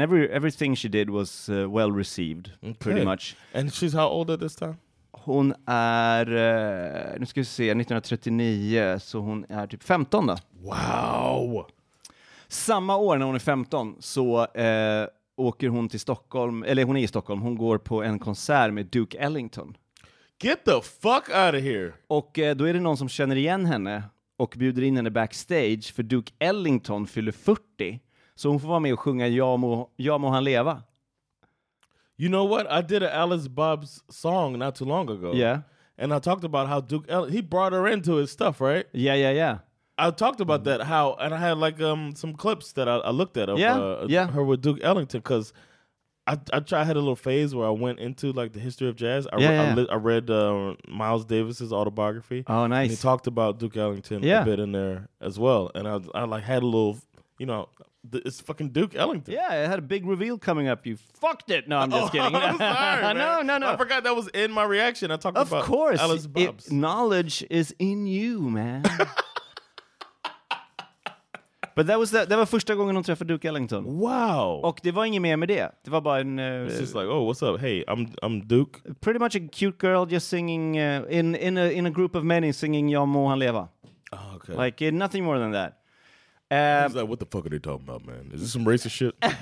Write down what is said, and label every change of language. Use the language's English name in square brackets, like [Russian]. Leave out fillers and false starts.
[English] Everything she did was well received, okay. Pretty much. And she's how old at this time? [Swedish] Hon är, nu ska vi se, 1939, så hon är typ 15 då. [English] Wow! [Swedish] Samma år när hon är 15 så åker hon till Stockholm, eller hon är i Stockholm, hon går på en konsert med Duke Ellington. [English] Get the fuck out of here. [Swedish] Och då är det någon som känner igen henne och bjuder in henne backstage för Duke Ellington fyller 40. Så hon får vara med och sjunga Ja må han leva. [English] You know what? I did an Alice Babs song not too long ago. Yeah. And I talked about how Duke Ellington, he brought her into his stuff, right? Yeah. I talked about that, how, and I had like some clips that I looked at of her with Duke Ellington, because I had a little phase where I went into like the history of jazz. I read Miles Davis's autobiography. Oh, nice! And he talked about Duke Ellington a bit in there as well. And I like had a little, you know, it's fucking Duke Ellington. Yeah, it had a big reveal coming up. You fucked it. No, I'm just kidding. I'm sorry. No. I forgot that was in my reaction. I talked about Alice Babs. Knowledge is in you, man. [Swedish] But det var första gången hon träffade Duke Ellington. [English] Wow. [Swedish] Och det var inget mer med det. Det var bara en... [English] It's just like, oh, what's up? Hey, I'm Duke. Pretty much a cute girl just singing in a group of men singing Ja må han leva. Oh, okay. Like, nothing more than that. He's like, what the fuck are they talking about, man? Is this some racist shit?